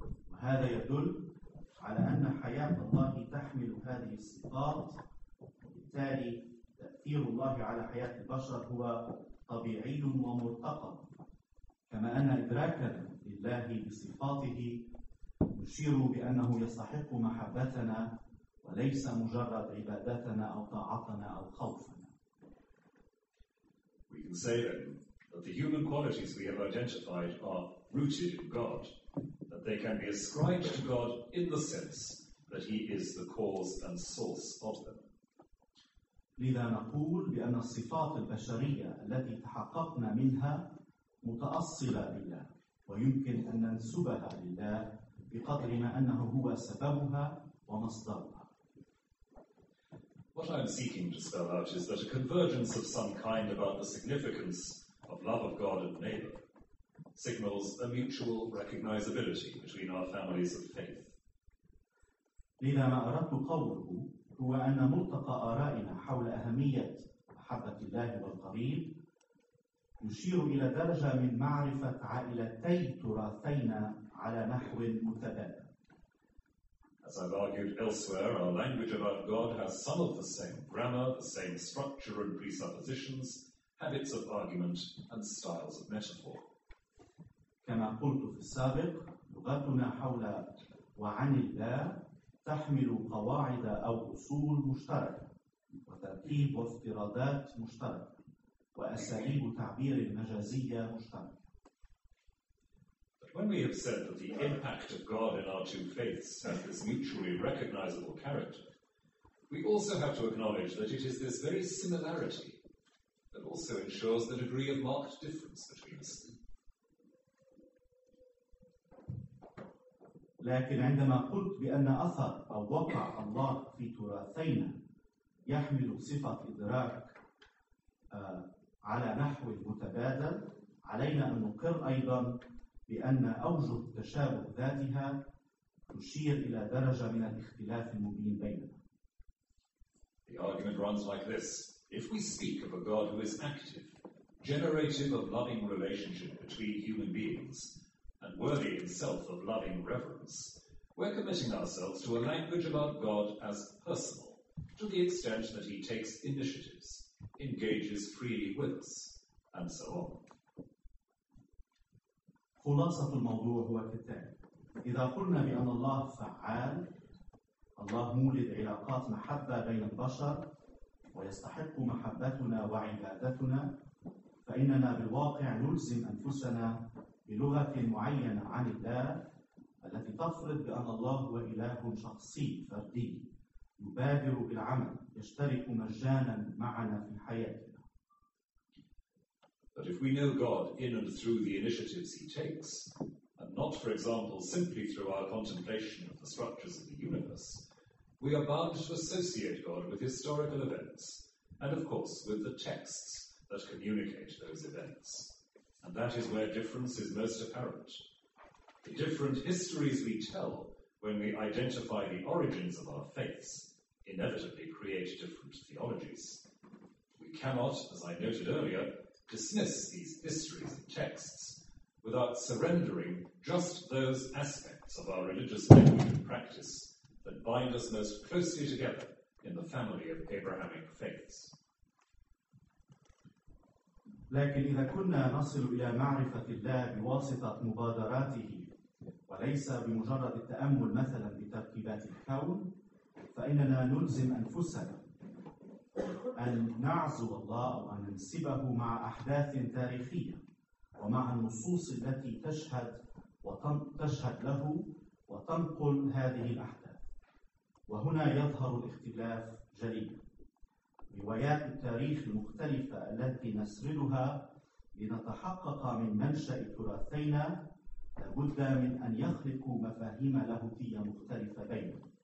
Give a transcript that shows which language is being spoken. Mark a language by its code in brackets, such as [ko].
[ar] وهذا يدل على أن حياة الله تحمل هذه الصفات، وبالتالي تأثير الله على حياة البشر هو طبيعي ومرتقب، كما أن إدراكنا لله بصفاته يشير بأنه يستحق محبتنا وليس مجرد عبادتنا أو طاعتنا أو خوفنا. [en] We can say then that the human qualities we have identified are rooted in God, that they can be ascribed to God in the sense that He is the cause and source of them. [ar] لذا نقول بأن الصفات البشرية التي تحققنا منها متأصلة بالله ويمكن أن ننسبها لله بقدر ما أنه هو سببها ومصدرها. [en] What I'm seeking to spell out is that a convergence of some kind about the significance of love of God and neighbor signals a mutual recognizability between our families of faith. [ar] لذا ما أردت قوله هو أن ملتقى آرائنا حول أهمية محبة الله والقريب يشير إلى درجة من معرفة عائلتي تراثينا على نحو متبادل. [en] As I've argued elsewhere, our language about God has some of the same grammar, the same structure and presuppositions, habits of argument and styles of metaphor. [ar] كما قلت في السابق، لغتنا حول وعن الله تحمل قواعد أو أصول مشتركة وتركيب وافتراضات مشتركة وأساليب تعبير مجازية مشتركة. [en] When we have said that the impact of God in our two faiths has this mutually recognizable character, we also have to acknowledge that it is this very similarity that also ensures the degree of marked difference between us. [ar] لكن عندما قلت بأن أثر أو وقع الله في تراثينا يحمل صفة إدراك على نحو متبادل، علينا أن نقر أيضا بأن أوجه التشابه ذاتها تشير إلى درجة من الاختلاف المبين بيننا. [en] The argument runs like this. If we speak of a God who is active, generative of loving relationship between human beings, and worthy himself of loving reverence, we're committing ourselves to a language about God as personal, to the extent that he takes initiatives, engages freely with us, and so on. [ar] خلاصة الموضوع هو كالتالي، إذا قلنا بأن الله فعال، الله مولد علاقات محبة بين البشر ويستحق محبتنا وعبادتنا، فإننا بالواقع نلزم أنفسنا بلغة معينة عن الله التي تفرض بأن الله هو إله شخصي فردي يبادر بالعمل يشترك مجانا معنا في حياته. [en] But if we know God in and through the initiatives he takes, and not, for example, simply through our contemplation of the structures of the universe, we are bound to associate God with historical events, and of course with the texts that communicate those events. And that is where difference is most apparent. The different histories we tell when we identify the origins of our faiths inevitably create different theologies. We cannot, as I noted earlier, dismiss these histories and texts without surrendering just those aspects of our religious practice that bind us most closely together in the family of Abrahamic faiths. [ar] لكن إذا كنا نصل إلى معرفة الله بواسطة مبادراته وليس بمجرد التأمل مثلا بتركيبات الكون فإننا نلزم أنفسنا أن نعزو الله وأن ننسبه مع أحداث تاريخية ومع النصوص التي تشهد وتشهد له وتنقل هذه الأحداث وهنا يظهر الاختلاف جليا روايات التاريخ المختلفة التي نسردها لنتحقق من منشأ تراثينا لابد من أن يخلقوا مفاهيم لاهوتية مختلفة بيننا.